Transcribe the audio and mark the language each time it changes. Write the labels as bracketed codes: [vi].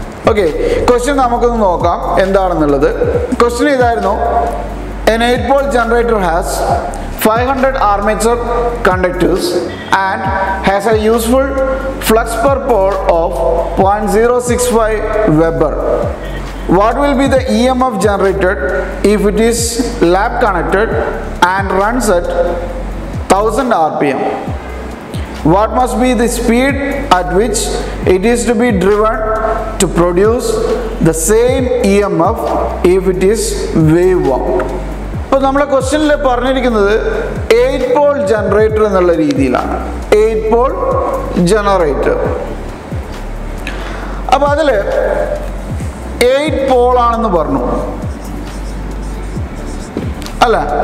[ml] Okay, question നമുക്കൊന്ന് നോക്കാം എന്താണെന്നുള്ളത്. ക്വസ്റ്റ്യൻ ഇതായിരുന്നു, [en] An 8 volt generator has 500 armature conductors and has a useful flux per pole of 0.065 weber. What will be the EMF generated if it is lab connected and runs at 1000 RPM? What must be the speed at which it is to be driven to produce the same EMF if it is wave-wound? [ml] അപ്പോൾ നമ്മുടെ ക്വസ്റ്റ്യനിൽ പറഞ്ഞിരിക്കുന്നത് 8 Paul generator എന്നുള്ള രീതിയിലാണ്. 8 Paul generator, അപ്പോൾ അതിൽ 8 Paul ആണെന്ന് പറഞ്ഞു അല്ല.